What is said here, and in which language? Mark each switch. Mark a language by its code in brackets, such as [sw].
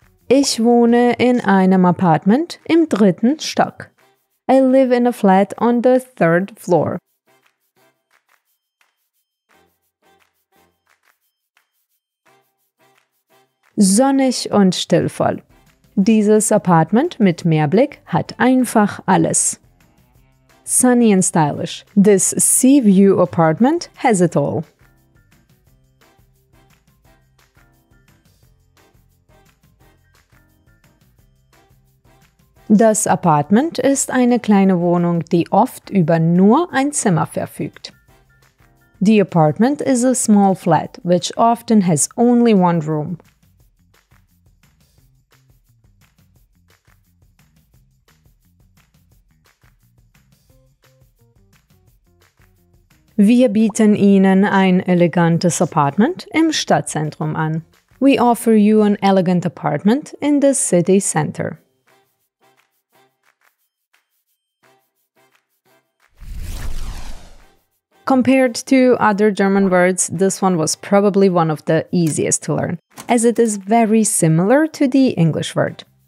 [de] Ich wohne in einem Apartment im dritten Stock. [en] I live in a flat on the third floor. [de] Sonnig und stillvoll. Dieses Apartment mit Meerblick hat einfach alles. [en] Sunny and stylish. This sea view apartment has it all. [de] Das Apartment ist eine kleine Wohnung, die oft über nur ein Zimmer verfügt. [en] The apartment is a small flat, which often has only one room. [de] Wir bieten Ihnen ein elegantes Apartment im Stadtzentrum an. [en] We offer you an elegant apartment in the city center. Compared to other German words, this one was probably one of the easiest to learn, as it is very similar to the English word.